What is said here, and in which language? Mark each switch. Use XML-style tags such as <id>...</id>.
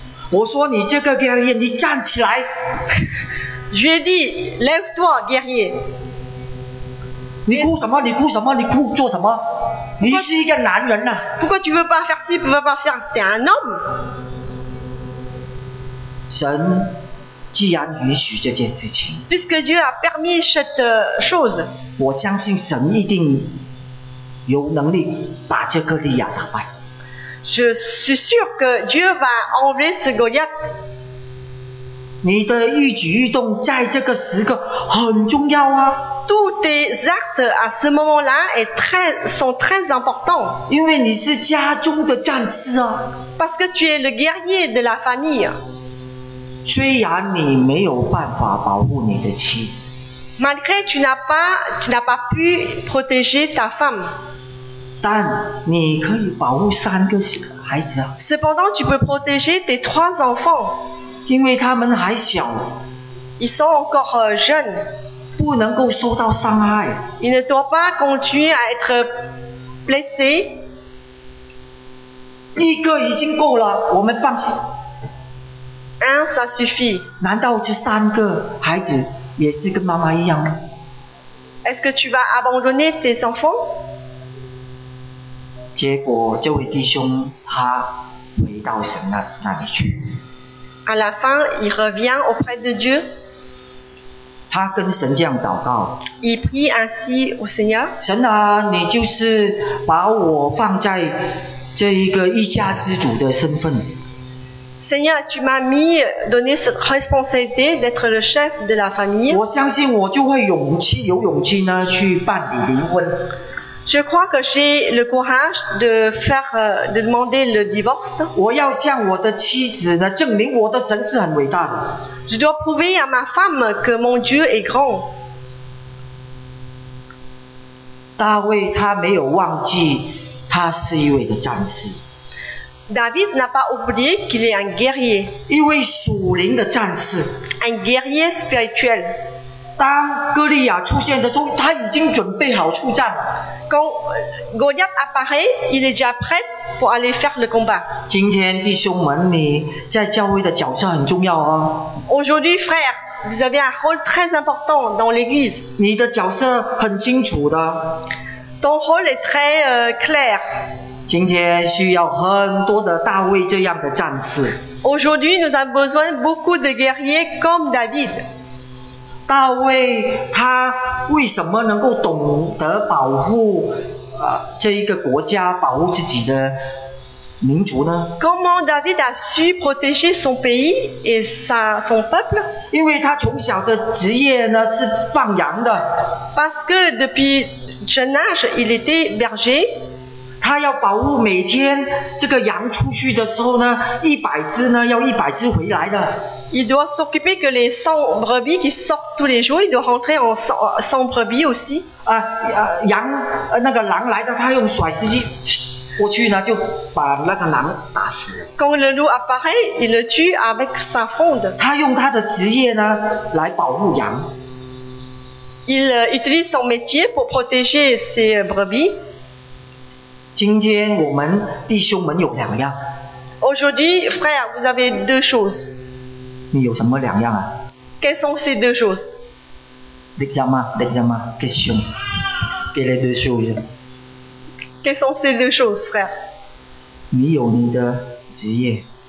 <zh>我说你这个 guerrier, 你站起来。</zh> <fr>Je lui ai dit, lève-toi, guerrier.</fr> <zh>你哭什么？你哭什么？你哭做什么？你是一个男人呐、啊！不过，</zh> <fr>tu veux pas faire ci, tu veux pas faire ça, un homme。</fr> <zh>神既然允许这件事情</zh> <fr>，puisque Dieu a permis cette chose，</fr> <zh>我相信神一定有能力把这个利亚打败。</zh> <fr>Je suis sûr que Dieu va enlever ce Goliath。</fr> <zh>你的一举一动在这个时刻很重要啊。</zh> <fr>Tous tes actes à ce moment-là sont très importants.</fr> <zh>因为你是家中的战士啊。</zh> <fr>Parce que tu es le guerrier de la famille.</fr> <zh>虽然你没有办法保护你的妻子。</zh> <fr>Malgré que tu n'as pas pu protéger ta femme.</fr> <zh>但你可以保护三个孩子啊。</zh> <fr>Cependant, tu peux protéger tes trois enfants.</fr> <zh>因为他们还小</zh> <fr>，ils sont encore jeunes，</fr> <zh>不能够受到伤害</zh> <fr>，ils ne doivent pas continuer à être blessés。</fr> <zh>一个已经够了，我们放心。</zh> <fr>Un, ça suffit。</fr> <zh>难道这三个孩子也是跟妈妈一样吗</zh> <fr>？Est-ce que tu vas abandonner tes enfants？</fr> <zh>结果这位弟兄他回到神那里去。</zh> <fr>À la fin, il revient auprès de Dieu.</fr> <zh>他跟神这样祷告。</zh> <fr>Il prie ainsi au Seigneur.</fr> <zh>神啊，你就是把我放在这一个一家之主的身份。</zh> <fr>Seigneur, tu m'as mis donné cette responsabilité d'être le chef de la famille.</fr> <zh>我相信我就会有勇气呢去办理离婚。</zh> <fr>Je crois que j'ai le courage de demander le divorce.</fr> <zh>我要向我的妻子呢，证明我的神是很伟大的。</zh> <fr>Je dois prouver à ma femme que mon Dieu est grand.</fr> <zh>大卫他没有忘记他是一位的战士。</zh> <fr>David n'a pas oublié qu'il est un guerrier.</fr> <zh>一位属灵的战士。</zh> <fr>Un guerrier spirituel.</fr> <zh>当哥利亚出现的时候，他已经准备好出战了。</zh> <fr>Quand Goliath apparaît, il est déjà prêt pour aller faire le combat.</fr> <zh>今天弟兄们，你在教会的角色很重要啊。</zh> <fr>Aujourd'hui, frère, vous avez un rôle très important dans l'église.</fr> <zh>你的角色很清楚的。</zh> <fr>Ton rôle est très clair.</fr> <zh>今天需要很多的大卫这样的战士。</zh> <fr>Aujourd'hui, nous avons besoin beaucoup de guerriers comme David.</fr> <zh>大卫他为什么能够懂得保护、这一个国家，保护自己的民族呢？</zh> <fr>Comment David a su protéger son pays et son peuple?</fr> <zh>因为他从小的职业呢是放羊的。</zh> <fr>Parce que depuis jeune âge il était berger.</fr> <zh>他要保护每天这个羊出去的时候呢，100只呢要100只回来的。</zh> <fr>Il doit s'occuper que les 100 brebis qui sortent tous les jours, il doit rentrer en 100 brebis aussi.</fr> <zh>羊那个狼来的，他用甩石机。过去呢就把那个狼打死了。</zh> <fr>Quand le loup apparaît, il le tue avec sa fronde.</fr> <zh>他用他的职业呢来保护羊。</zh> <fr>Il utilise son métier pour protéger ses brebis.</fr> <zh>今天我们弟兄们有两样。</zh> <fr>Aujourd'hui, frère, vous avez deux choses.</fr> <zh>你有什么两样啊？</zh> <fr>Quelles sont ces deux choses? L'examen, question. Quelles deux choses? Quelles sont ces deux choses, frère?</fr> <zh>你有你的职业。</zh>